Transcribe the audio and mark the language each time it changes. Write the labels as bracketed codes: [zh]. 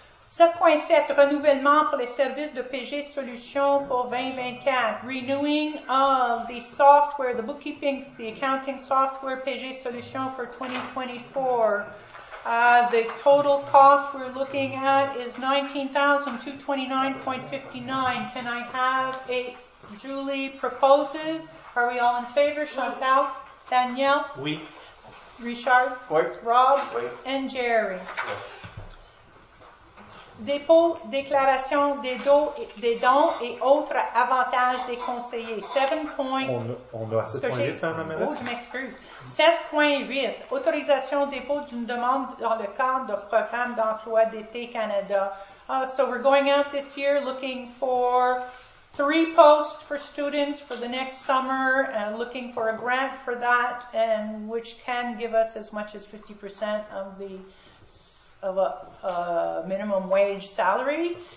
[fr] 7.7, renouvellement pour les services de PG Solutions pour 2024. [en] Renewing of the software, the bookkeeping, the accounting software PG Solutions for 2024. The total cost we're looking at is $19,229.59. Can I have a, Julie proposes. Are we all in favor? Chantal? Danielle? [fr] Oui. [en] Richard? [fr] Oui. [en] Rob? [fr] Oui. [en] And Jerry? [fr] Oui. Dépôt, déclaration des, des dons et autres avantages des conseillers. 7. On a 7.8, je m'excuse. 7.8, autorisation dépôt d'une demande dans le cadre du programme d'emploi d'été Canada. [en] So we're going out this year looking for 3 posts for students for the next summer and looking for a grant for that and which can give us as much as 50% of the of a minimum wage salary.